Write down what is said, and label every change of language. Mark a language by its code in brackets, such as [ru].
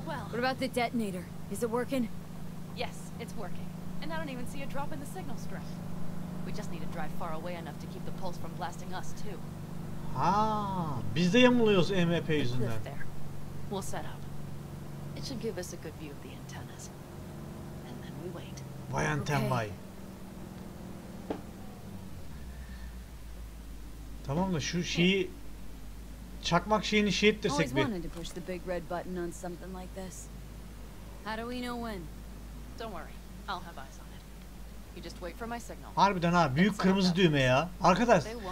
[en] What about the detonator? Is it working? Yes, it's working. And I don't even see a drop in the signal strength. We just need to drive far away enough to keep the pulse from blasting us too. [tr] Ha, biz de yamuluyoruz EMP yüzünden. [en] We'll set up. It should give us a good view of the antennas. And then we wait. [tr] Vay anten vay. Tamam da şu şeyi çakmak şeyini şey ettirsek bir. [en] Always wanted to push the big red button on something like this. How do we know when? Don't worry. I'll have eyes on it. You just wait for my signal. [tr] Harbiden ha, büyük kırmızı düğme ya. Arkadaş.